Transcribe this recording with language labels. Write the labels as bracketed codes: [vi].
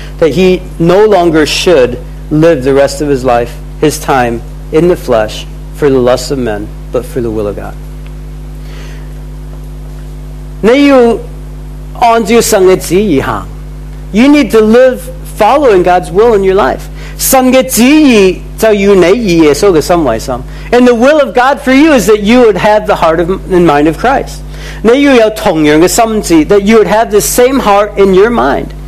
[en] That he no longer should live the rest of his life, his time, in the flesh, for the lusts of men, but for the will of God. [zh] 你要按照神的旨意行, [en] you need to live following God's will in your life. [zh] 神的旨意就要你以耶稣的心为心。 [en] And the will of God for you is that you would have the heart and mind of Christ. [zh] 你要有同样的心智, [en] that you would have the same heart in your mind.